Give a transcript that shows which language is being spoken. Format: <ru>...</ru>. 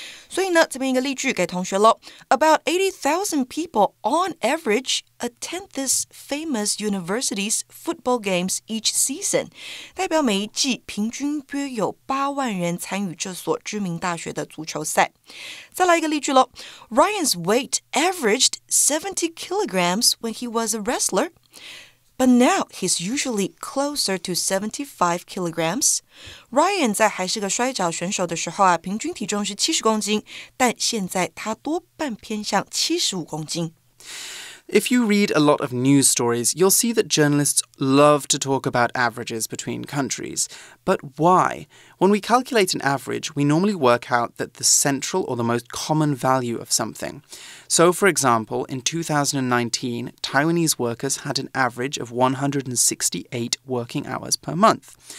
<zh>所以呢，这边一个例句给同学喽 ：</zh> <en>About 80,000 people on average attend this famous university's football games each season，</en> <zh>代表每一季平均约有80,000人参与这所知名大学的足球赛。再来一个例句喽</zh> <en>：Ryan's weight averaged 70 kilograms when he was a wrestler, but now he's usually closer to 75 kilograms.</en> <zh>Ryan 在还是个摔跤选手的时候啊，平均体重是70公斤，但现在他多半偏向75公斤。</zh> <en>If you read a lot of news stories, you'll see that journalists love to talk about averages between countries. But why? When we calculate an average, we normally work out that the central or the most common value of something. So, for example, in 2019, Taiwanese workers had an average of 168 working hours per month.</en>